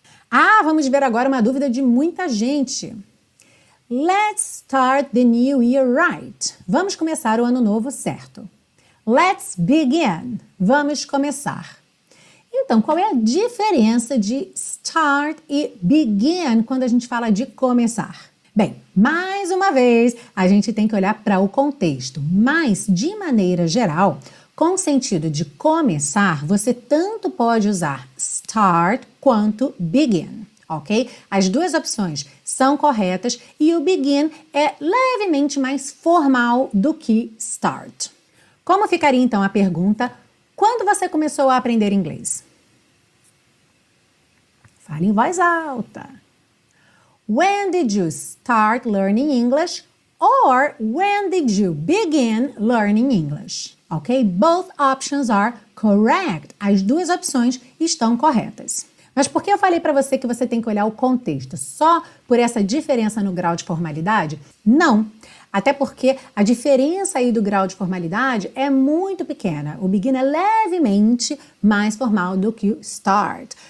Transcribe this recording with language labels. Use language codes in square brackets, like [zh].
[pt] Ah, vamos ver agora uma dúvida de muita gente. [en] Let's start the new year right. [pt] Vamos começar o ano novo certo. [en] Let's begin. [pt] Vamos começar. Então, qual é a diferença de start e begin quando a gente fala de começar? Bem, mais uma vez, a gente tem que olhar para o contexto. Mas, de maneira geral, com sentido de começar, você tanto pode usar start quanto begin. Ok? As duas opções são corretas e o begin é levemente mais formal do que start. Como ficaria então a pergunta, quando você começou a aprender inglês? Fale em voz alta. [en] When did you start learning English? Or when did you begin learning English? Ok? Both options are correct. [pt] As duas opções estão corretas. Mas por que eu falei para você que você tem que olhar o contexto só por essa diferença no grau de formalidade? Não! Até porque a diferença aí do grau de formalidade é muito pequena. O begin é levemente mais formal do que o start.